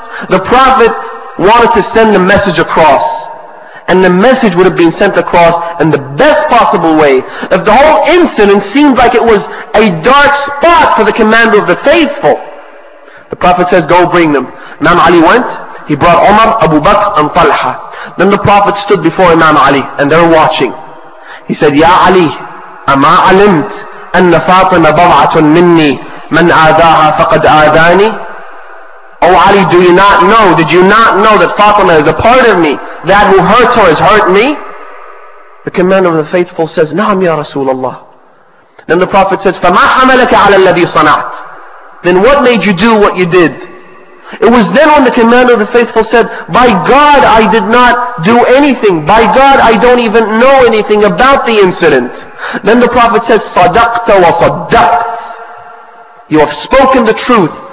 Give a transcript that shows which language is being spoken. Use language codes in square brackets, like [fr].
[en] The Prophet wanted to send a message across. And the message would have been sent across in the best possible way. If the whole incident seemed like it was a dark spot for the commander of the faithful, the Prophet says, go bring them. Imam Ali went. He brought Umar, Abu Bakr, and Talha. Then the Prophet stood before Imam Ali, and they're watching. He said, [ar] Ya Ali, أما علمت أن فاطمة بضعة مني من آذاها فقد آذاني. [en] O Ali, do you not know? Did you not know that Fatima is a part of me? That who hurts her has hurt me? The commander of the faithful says, [ar] Naam ya Rasulullah. [en] Then the Prophet says, [ar] فما حملك على الذي صنعت. [en] Then what made you do what you did? It was then when the commander of the faithful said, By God, I did not do anything. By God, I don't even know anything about the incident. Then the Prophet says, [ar] صدقت وصدقت. [en] You have spoken the truth.